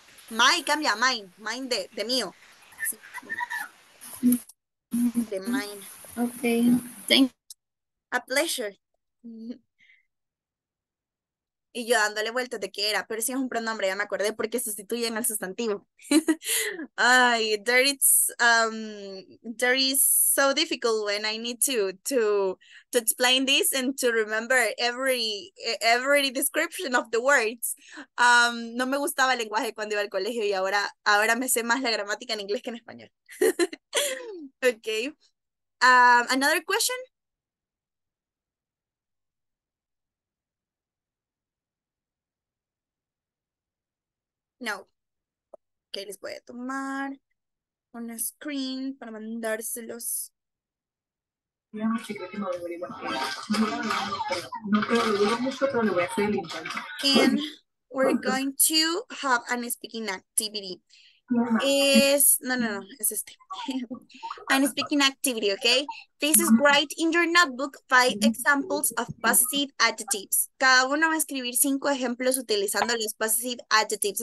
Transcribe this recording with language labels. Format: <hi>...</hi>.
<es>Mine de mío. Sí. De mine.</es> <en>Okay, thank you. A pleasure.</en> <es>Y yo dándole vueltas de qué era, pero sí es un pronombre, ya me acordé, porque sustituyen al sustantivo.</es> <en>Ay, there is so difficult when I need to explain this and to remember every description of the words.</en> <es>No me gustaba el lenguaje cuando iba al colegio y ahora me sé más la gramática en inglés que en español. Okay.</es> <en>Another question?</en> <es>No. Okay, les voy a tomar un screen para mandárselos.</es> <en>And we're going to have an speaking activity. I'm speaking activity, okay? This is write in your notebook 5 examples of possessive adjectives.</en> <es>Cada uno va a escribir 5 ejemplos utilizando los possessive adjectives.</es>